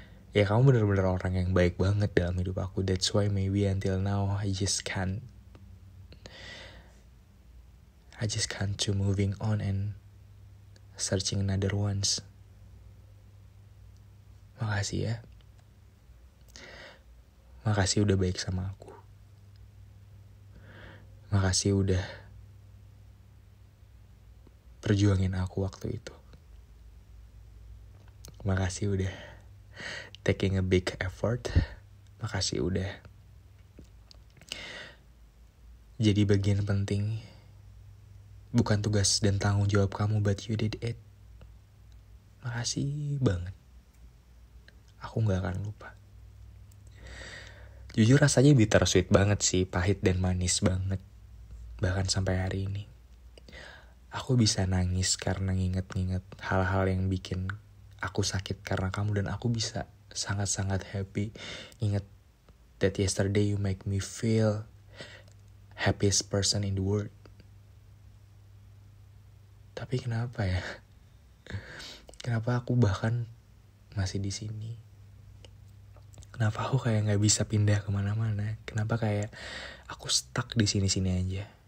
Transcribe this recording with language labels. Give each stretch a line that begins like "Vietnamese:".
Indonesian: Ya kamu benar-benar orang yang baik banget dalam hidup aku.
English: That's why maybe until now I just can't to moving on and searching another ones.
Indonesian: Makasih ya. Makasih udah baik sama aku. Makasih udah perjuangin aku waktu itu. Makasih udah
English: taking a big effort.
Indonesian: Makasih udah jadi bagian penting. Bukan tugas dan tanggung jawab kamu,
English: but you did it.
Indonesian: Makasih banget. Aku gak akan lupa. Jujur rasanya bittersweet banget sih. Pahit dan manis banget. Bahkan sampai hari ini. Aku bisa nangis karena nginget-nginget hal-hal yang bikin aku sakit karena kamu. Dan aku bisa sangat-sangat happy. Ingat
English: that yesterday you make me feel happiest person in the world.
Indonesian: Tapi kenapa ya? Kenapa aku bahkan masih di sini? Kenapa aku kayak gak bisa pindah kemana-mana? Kenapa kayak aku stuck di sini-sini aja?